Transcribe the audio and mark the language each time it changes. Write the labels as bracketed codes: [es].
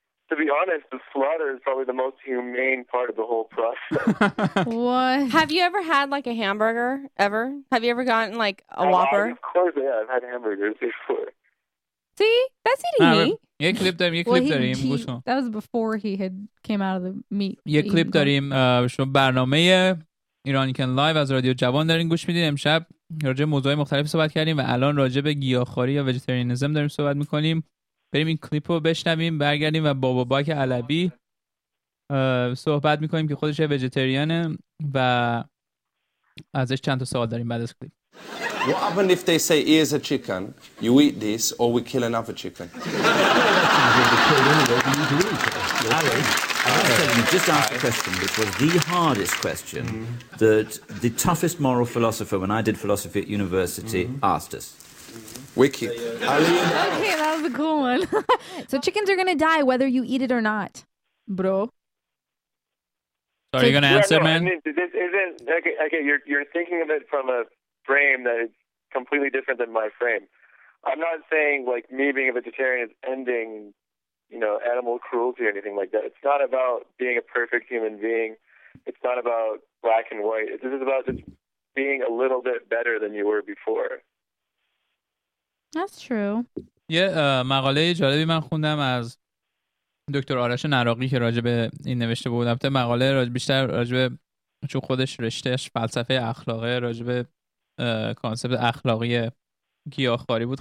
[en] To be honest, the slaughter is probably the most humane part of the whole process. What? Have you ever had, like, a hamburger? Ever? Have you ever gotten, like, a Whopper? Of course, yeah. I've had hamburgers before. See? That's eating meat. You clipped him. You clipped him. That was before he had came out of the meat. You clipped him. [fa] شما برنامه ایرانیکن لایو از رادیو جوان دارین گوش میدین. امشب راجع به موضوعات مختلف صحبت کردیم و الان راجع به گیاهخواری یا ویژیتریانیسم داریم صحبت میکنیم. بریم این کلیپ رو بشنویم، برگردیم و با باباک علوی صحبت میکنیم که خودش ویژیتریانه و ازش چند تا سوال داریم بعد از کلیپ. [en] What happens if they say here's a chicken, you eat this, or we kill another chicken? Just ask a question, which was the hardest question that the toughest moral philosopher, when I did philosophy at university, asked us. Wicked. Okay, that was a cool one. So chickens are going to die whether you eat it or not, bro. So are you going to answer, yeah, no, man? I mean, this isn't, okay, you're thinking of it from a frame that is completely different than my frame. I'm not saying like me being a vegetarian is ending, you know, animal cruelty or anything like that. It's not about being a perfect human being. It's not about black and white. This is about just being a little bit better than you were before. That's true. [fa] مقاله جالبی من خوندم از دکتر آرش نراقی که راجع به این نوشته بود. البته مقاله راجع به چون خودش رشتهش فلسفه اخلاقه، راجع به کانسپت اخلاقی گیاهخواری بود.